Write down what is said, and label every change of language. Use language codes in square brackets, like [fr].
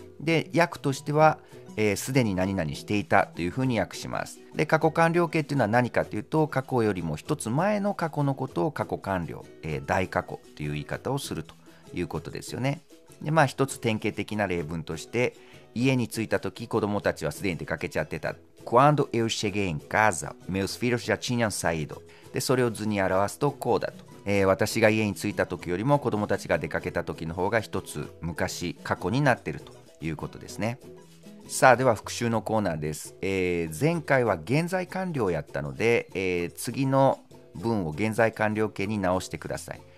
[ja] で、訳としては、すでに何々していたというふうに訳します。で、過去完了形というのは何かというと、過去よりも一つ前の過去のことを過去完了、大過去という言い方をするということですよね。で、まあ一つ典型的な例文として、家に着いた時子供たちはすでに出かけちゃってた。 [pt] Quando eu cheguei em casa meus filhos já tinham saído。 [ja] で、それを図に表すとこうだと、私が家に着いた時よりも子供たちが出かけた時の方が一つ昔過去になっているということですね。さあ、では復習のコーナーです。前回は現在完了をやったので、次の文を現在完了形に直してください。